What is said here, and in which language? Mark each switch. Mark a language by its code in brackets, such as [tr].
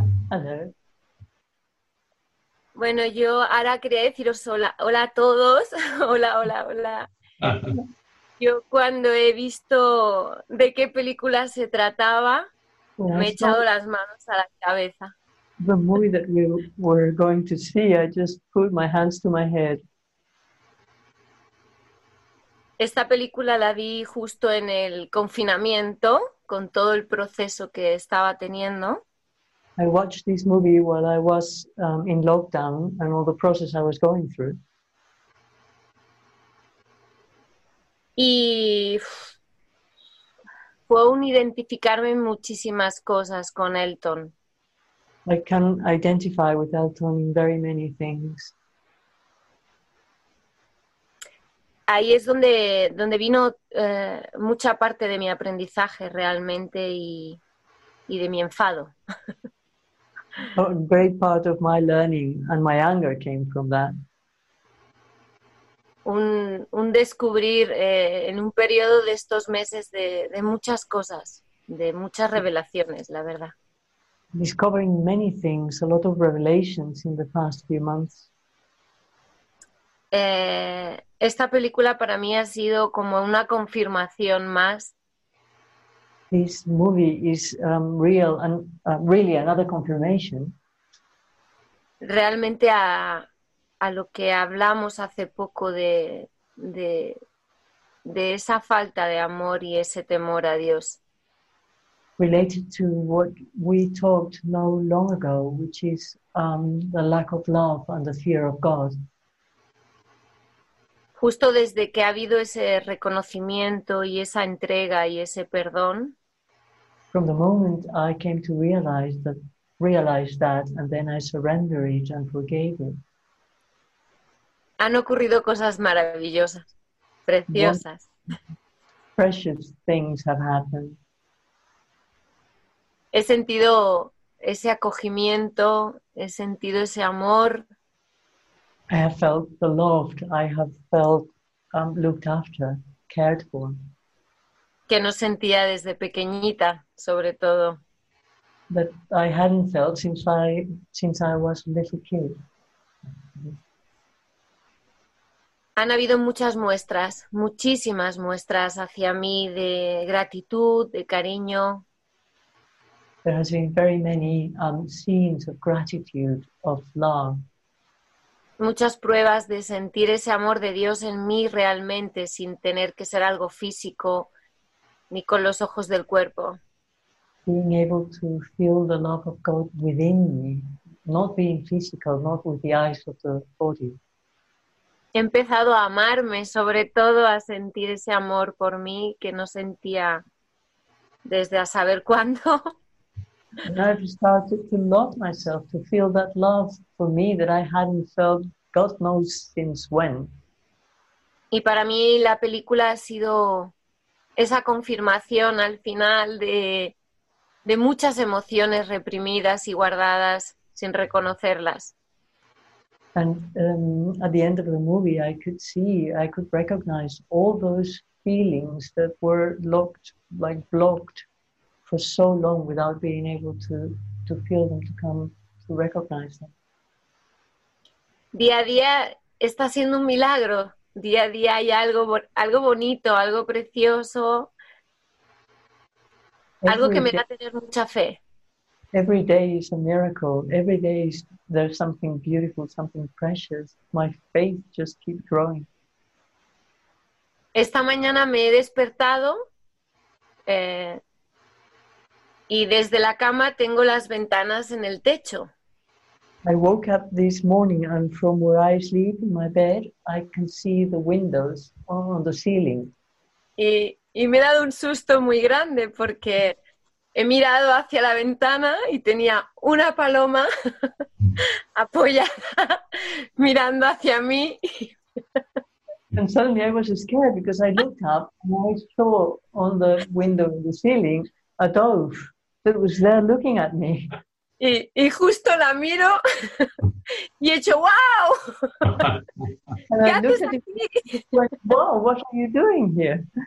[en] Hello. [es] Bueno, yo ahora quería deciros hola a todos. Hola. Yo cuando he visto de qué película se trataba, Me he echado las manos a la cabeza. [en] The movie that we were going to see, I just put my hands to my head. [es] Esta película la vi justo en el confinamiento, con todo el proceso que estaba teniendo. [en] I watched this movie while I was in lockdown and all the process I was going through. [es] Y fue un identificarme en muchísimas cosas con Elton. [en] I can identify with Elton in very many things. [es] Ahí es donde vino mucha parte de mi aprendizaje realmente y de mi enfado. [en] A great part of my learning and my anger came from that. [es] Un descubrir en un periodo de estos meses de muchas cosas, de muchas revelaciones, la verdad. [en] Discovering many things, a lot of revelations in the past few months. [es] Esta película para mí ha sido como una confirmación más. [en] This movie is real and really another confirmation. [es] Realmente a lo que hablamos hace poco de esa falta de amor y ese temor a Dios. [en] Related to what we talked no long ago, which is the lack of love and the fear of God. [es] Justo desde que ha habido ese reconocimiento y esa entrega y ese perdón. [en] From the moment I came to realize that, and then I surrender it and forgave it. [es] Han ocurrido cosas maravillosas, preciosas. [en] Precious things have happened. [es] He sentido ese acogimiento, he sentido ese amor. [en] I have felt beloved, I have felt looked after, cared for. [es] Que no sentía desde pequeñita, sobre todo. [en] That I hadn't felt since I was a little kid. [es] Han habido muchas muestras, muchísimas muestras hacia mí de gratitud, de cariño. [en] There has been very many scenes of gratitude, of love. [es] Muchas pruebas de sentir ese amor de Dios en mí realmente, sin tener que ser algo físico ni con los ojos del cuerpo. [en] Being able to feel the love of God within me, not being physical, not with the eyes of the body. [es] He empezado a amarme, sobre todo a sentir ese amor por mí que no sentía desde a saber cuándo. [en] And I've started to love myself, to feel that love for me that I hadn't felt God knows since when. [es] Y para mí la película ha sido esa confirmación al final de muchas emociones reprimidas y guardadas sin reconocerlas. [en] And at the end of the movie I could recognize all those feelings that were locked, like blocked, for so long without being able to feel them, to come to recognize them. [es] Día a día está siendo un milagro. Día a día hay algo bonito, algo precioso. Algo que me da tener mucha fe. [en] Every day is a miracle. Every day is there's something beautiful, something precious. My faith just keeps growing. [es] Esta mañana me he despertado y desde la cama tengo las ventanas en el techo. [en] I woke up this morning and from where I sleep in my bed, I can see the windows on the ceiling. [es] Y me he dado un susto muy grande porque he mirado hacia la ventana y tenía una paloma apoyada mirando hacia mí. [en] And suddenly I was scared because I looked up and I saw on the window in the ceiling a dove that was there looking at me. [es] Y justo la miro y he hecho, ¡wow! [en] And I look at you, like, wow, what are you doing here?